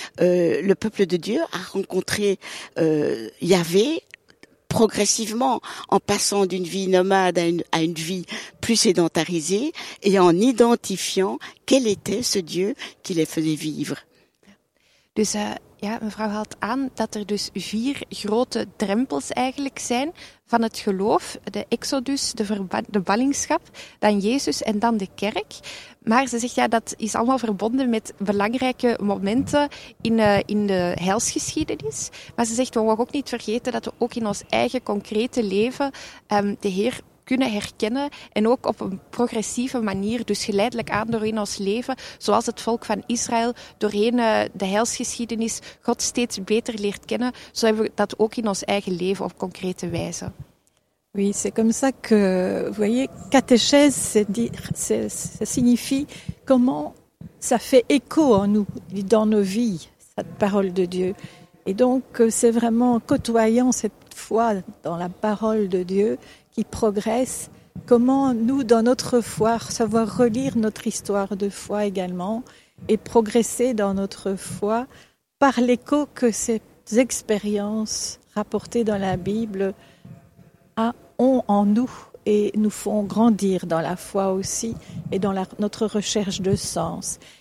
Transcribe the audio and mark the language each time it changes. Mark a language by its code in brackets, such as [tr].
[fr] Le peuple de Dieu a rencontré Yahvé progressivement, en passant d'une vie nomade à une vie plus sédentarisée et en identifiant quel était ce Dieu qui les faisait vivre. [nl] Dus mevrouw haalt aan dat er dus vier grote drempels eigenlijk zijn van het geloof. De exodus, de ballingschap, dan Jezus en dan de kerk. Maar ze zegt dat is allemaal verbonden met belangrijke momenten in de heilsgeschiedenis. Maar ze zegt, we mogen ook niet vergeten dat we ook in ons eigen concrete leven de Heer kunnen herkennen en ook op een progressieve manier, dus geleidelijk aan doorheen ons leven, zoals het volk van Israël doorheen de heilsgeschiedenis God steeds beter leert kennen, zo hebben we dat ook in ons eigen leven op concrete wijze. [fr] Oui, c'est comme ça que, vous voyez, catéchèse, ça signifie comment ça fait écho en nous, dans nos vies, cette parole de Dieu. Et donc, c'est vraiment côtoyant cette foi dans la parole de Dieu qui progresse, comment nous, dans notre foi, savoir relire notre histoire de foi également et progresser dans notre foi par l'écho que ces expériences rapportées dans la Bible ont en nous et nous font grandir dans la foi aussi et dans notre recherche de sens.